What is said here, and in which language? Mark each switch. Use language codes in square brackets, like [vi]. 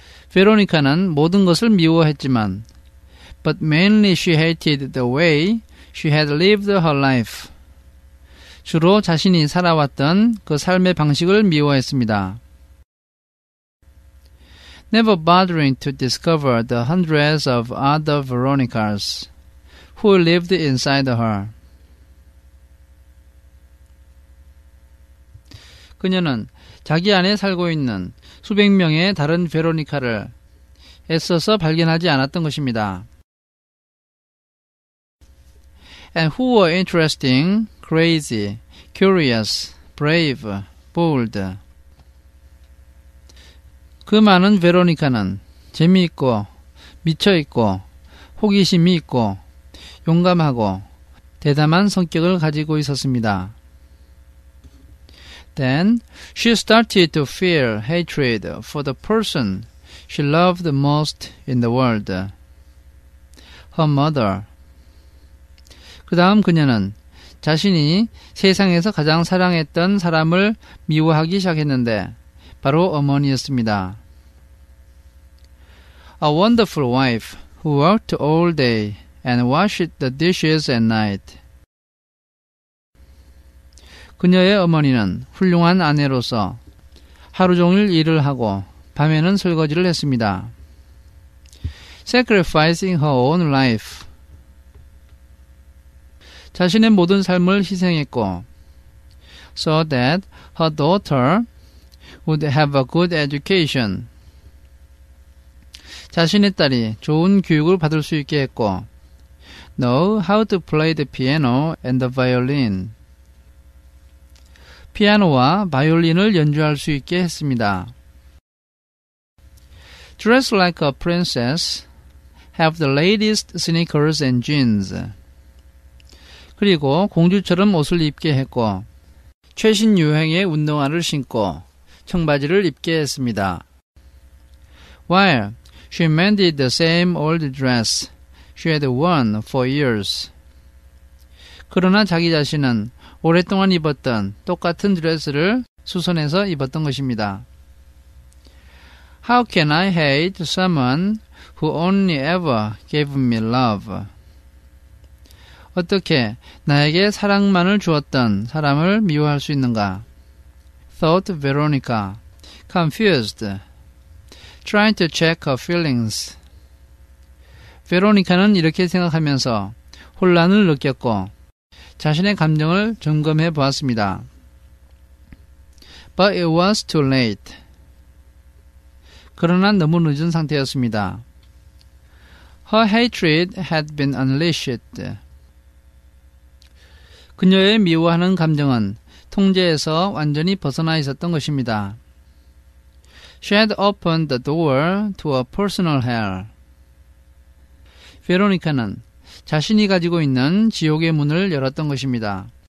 [ko] Veronica는 모든 것을 미워했지만 [en] But mainly she hated the way she had lived her life. [ko] 주로 자신이 살아왔던 그 삶의 방식을 미워했습니다. [en] Never bothering to discover the hundreds of other Veronicas who lived inside her. [ko] 그녀는 자기 안에 살고 있는 수백 명의 다른 베로니카를 애써서 발견하지 않았던 것입니다. [en] And who were interesting, crazy, curious, brave, bold. [ko] 그 많은 베로니카는 재미있고 미쳐있고 호기심이 있고 용감하고 대담한 성격을 가지고 있었습니다. [en] Then she started to feel hatred for the person she loved most in the world, her mother. [ko] 그 다음 그녀는 자신이 세상에서 가장 사랑했던 사람을 미워하기 시작했는데 바로 어머니였습니다. [en] A wonderful wife who worked all day and washed the dishes at night. [ko] 그녀의 어머니는 훌륭한 아내로서 하루 종일 일을 하고 밤에는 설거지를 했습니다. [en] Sacrificing her own life. [ko] 자신의 모든 삶을 희생했고 [en] so that her daughter would have a good education. [ko] 자신의 딸이 좋은 교육을 받을 수 있게 했고 [en] know how to play the piano and the violin. [ko] 피아노와 바이올린을 연주할 수 있게 했습니다. [en] Dress like a princess, have the latest sneakers and jeans. [ko] 그리고 공주처럼 옷을 입게 했고 최신 유행의 운동화를 신고 청바지를 입게 했습니다. [en] While she mended the same old dress she had worn for years. [ko] 그러나 자기 자신은 오랫동안 입었던 똑같은 드레스를 수선해서 입었던 것입니다. [en] How can I hate someone who only ever gave me love? [ko] 어떻게 나에게 사랑만을 주었던 사람을 미워할 수 있는가? [en] Thought Veronica, confused, trying to check her feelings. [ko] 베로니카는 이렇게 생각하면서 혼란을 느꼈고 자신의 감정을 점검해 보았습니다. [en] But it was too late. [ko] 그러나 너무 늦은 상태였습니다. [en] Her hatred had been unleashed. [ko] 그녀의 미워하는 감정은 통제에서 완전히 벗어나 있었던 것입니다. [en] She had opened the door to a personal hell. [ko] 베로니카는 자신이 가지고 있는 지옥의 문을 열었던 것입니다.